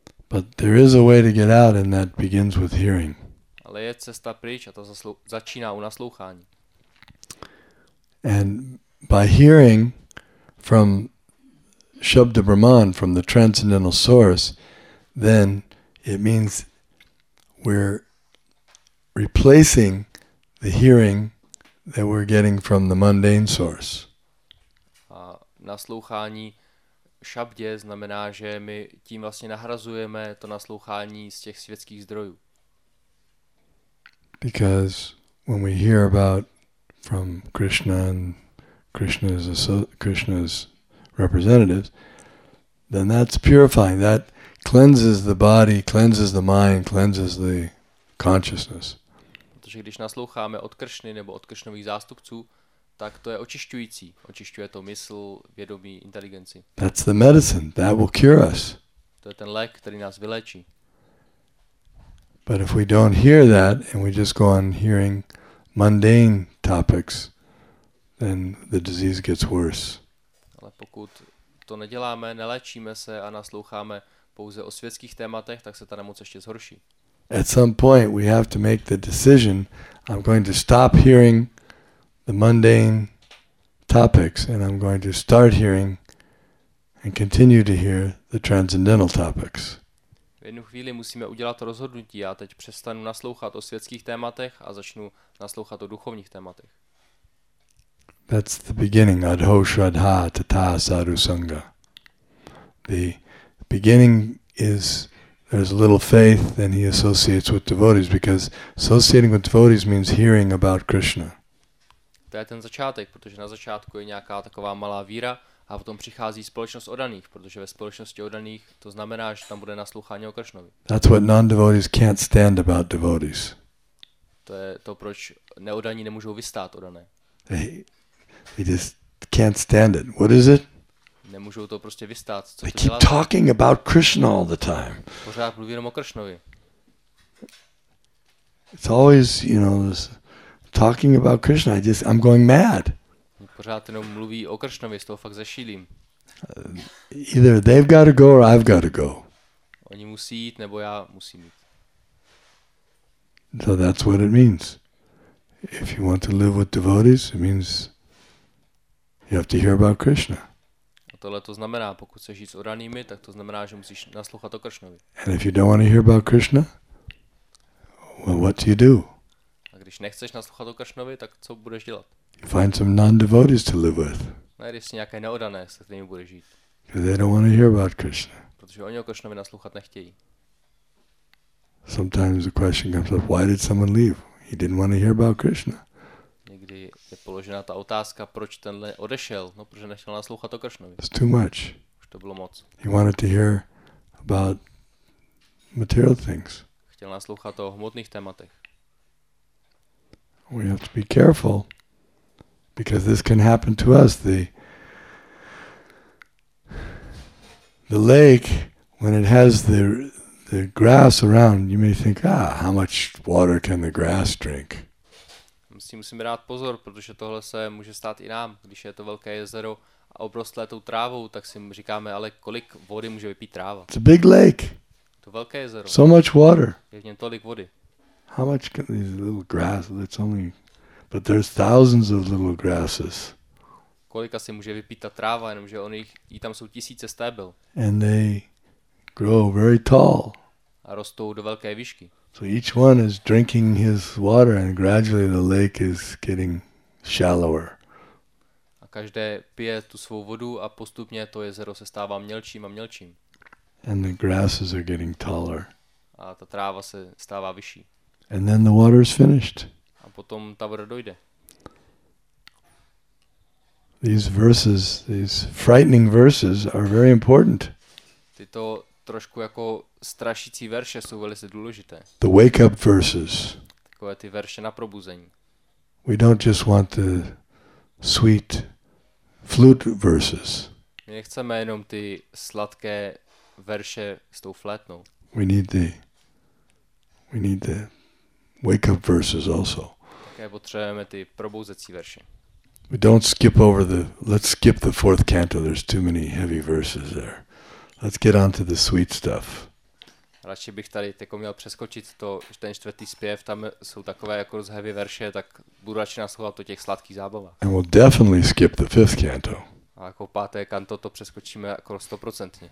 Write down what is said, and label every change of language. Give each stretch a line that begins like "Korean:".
English: But there is a way to get out and that begins with hearing.
Czech: Ale je cesta pryč a to začíná u naslouchání.
English: And by hearing from Shabda Brahman, from the transcendental source, then it means we're replacing the hearing that we're getting from the mundane source.
Czech: A naslouchání šabdě znamená, že my tím vlastně nahrazujeme to naslouchání z těch světských zdrojů.
English: Because when we hear about from Krishna and Krishna's representatives, then that's purifying. That cleanses the body, cleanses the mind, cleanses the consciousness.
Czech: Protože když nasloucháme od Kršny nebo od Kršnových zástupců, tak to je očišťující. Očišťuje to mysl, vědomí, inteligenci.
English: That's the medicine. That will cure us.
Czech: To je ten lék, který nás vyléčí.
English: But if we don't hear that and we just go on hearing mundane topics, then the disease gets worse.
Czech: Ale pokud to neděláme, neléčíme se a nasloucháme pouze o světských tématech, tak se ta nemoc ještě zhorší.
English: At some point we have to make the decision, I'm going to stop hearing the mundane topics and I'm going to start hearing and continue to hear the transcendental topics.
Czech: V jednu chvíli musíme udělat rozhodnutí. Já teď přestanu naslouchat o světských tématech a začnu naslouchat o duchovních tématech.
English: That's the beginning,
Sanskrit: adho shraddha tata sadhu sangha.
English: The beginning is there's a little faith and he associates with devotees because associating with devotees means hearing about Krishna.
Czech: To je ten začátek, protože na začátku je nějaká taková malá víra a potom přichází společnost oddaných, protože ve společnosti oddaných to znamená, že tam bude naslouchání o Kršnovi.
English: That's what non-devotees can't stand about devotees.
Czech: To je to, proč neodaní nemůžou vystát oddané.
English: They just can't stand it. What is it?
Czech: Nemůžou to prostě vystát. Co
English: they keep talking about Krishna all the time.
Czech: Pořád mluví jenom o Kršnovi.
English: It's always, you know, this talking about Krishna. I'm going mad.
Czech: Pořád jenom mluví o Kršnovi, z toho fakt zešílím.
English: Either they've got to go or I've got to go.
Czech: Oni musí jít, nebo já musím jít.
English: So that's what it means. If you want to live with devotees, it means you have to hear about Krishna.
Czech: A tohle to znamená, pokud chceš žít s oranými, tak to znamená, že musíš naslouchat o Kršnovi.
English: And if you don't want to hear about Krishna, well, what do you do?
Czech: A když nechceš naslouchat o Kršnovi, tak co budeš dělat?
English: You find some non-devotees to live with.
Czech: Najdeš si nějaké neodané, se kterými budeš žít.
English: Because they don't want to hear about Krishna.
Czech: Protože oni o Kršnovi naslouchat nechtějí.
English: Sometimes the question comes up, why did someone leave? He didn't want to hear about Krishna.
Czech: Někdy je položena ta otázka, proč tenhle odešel, no protože nechtěl naslouchat o Kršnovi.
English: It's too much.
Czech: Už to bylo moc.
English: He wanted to hear about material things.
Czech: Chtěl naslouchat o hmotných tématech.
English: We have to be careful. Because this can happen to us. The lake, when it has the grass around, you may think, how much water can the grass drink?
Czech: Musíme dát pozor, protože tohle se může stát i nám, když je to velké jezero a obrostlé tou trávou, tak si říkáme, ale kolik vody může vypít tráva?
English: It's a big lake.
Czech: To velké jezero.
English: So much water.
Czech: Je v něm tolik vody.
English: How much can these little grass? It's only. But there's thousands of little grasses.
Czech: Kolika si může vypít ta tráva, jenomže jí tam jsou tisíce stébel.
English: And they grow very tall.
Czech: A rostou do velké výšky.
English: So each one is drinking his water and gradually the lake is getting shallower.
Czech: A každé pije tu svou vodu a postupně to jezero se stává mělčím a mělčím.
English: And the grasses are getting taller.
Czech: A ta tráva se stává vyšší.
English: And then the water is finished.
Czech: A potom ta voda dojde.
English: These verses, these frightening verses are very important.
Czech: Tyto trošku jako strašící verše jsou velice důležité.
English: The wake up verses.
Czech: Takové ty verše na probuzení.
English: We don't just want the sweet flute verses.
Czech: My nechceme jenom ty sladké verše s tou flétnou.
English: We need the wake up verses also.
Czech: Také potřebujeme ty probouzecí verše.
English: We don't skip over the, let's skip the fourth canto, there's too many heavy verses there. Let's get on to the sweet stuff.
Czech: Radši bych tady jako měl přeskočit to, ten čtvrtý zpěv, tam jsou takové jako rozhevy verše, tak budu radši naslouchat to těch sladkých zábav.
English: And we'll definitely skip the fifth canto.
Czech: A jako páté kanto to přeskočíme jako 100%.